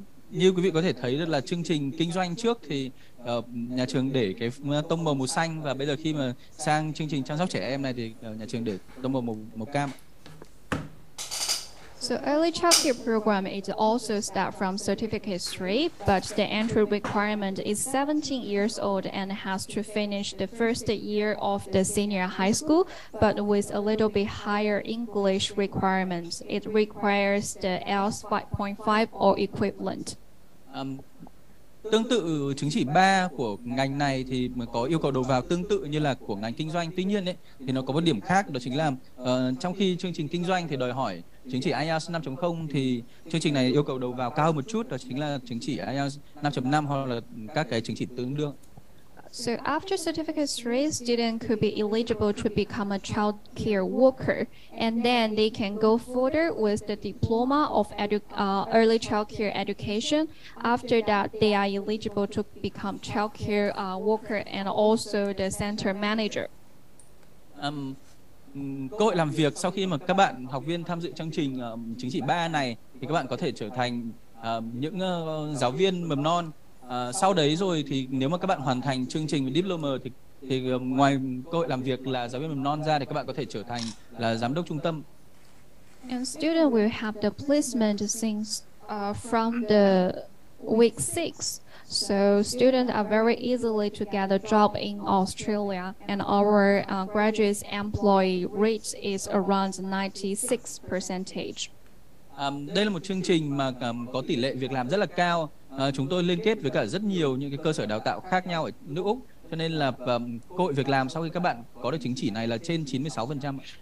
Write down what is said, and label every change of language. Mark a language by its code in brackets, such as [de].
[vi] Như quý vị có thể thấy là chương trình kinh doanh trước thì nhà trường để cái tông màu xanh, và bây giờ khi mà sang chương trình chăm sóc trẻ em này thì nhà trường để tông màu cam. [en] So early childcare program is also start from certificate 3, but the entry requirement is 17 years old and has to finish the first year of the senior high school, but with a little bit higher English requirements. It requires the IELTS 5.5 or equivalent. [vi] Tương tự chứng chỉ 3 của ngành này thì có yêu cầu đầu vào tương tự như là của ngành kinh doanh. Tuy nhiên ấy, thì nó có một điểm khác, đó chính là trong khi chương trình kinh doanh thì đòi hỏi chứng chỉ IELTS 5.0 thì chương trình này yêu cầu đầu vào cao hơn một chút, đó chính là chứng chỉ IELTS 5.5 hoặc là các cái chứng chỉ tương đương. [en] So after certificate 3, student could be eligible to become a child care worker, and then they can go further with the diploma of early child care education. After that, they are eligible to become child care worker and also the center manager. [vi] Cơ hội làm việc sau khi mà các bạn học viên tham dự chương trình chứng chỉ 3 này thì các bạn có thể trở thành những giáo viên mầm non. Sau đấy rồi thì nếu mà các bạn hoàn thành chương trình diploma thì ngoài cơ hội làm việc là giáo viên mầm non ra thì các bạn có thể trở thành là giám đốc trung tâm. [en] And student will have the placement since from the week 6. So students are very easily to get a job in Australia, and our graduate employee rate is around 96%. [vi] Đây là một chương trình mà có tỷ lệ việc làm rất là cao. Chúng tôi liên kết với cả rất nhiều những cái cơ sở đào tạo khác nhau ở nước Úc, cho nên là cơ hội việc làm sau khi các bạn có được chứng chỉ này là trên 96%.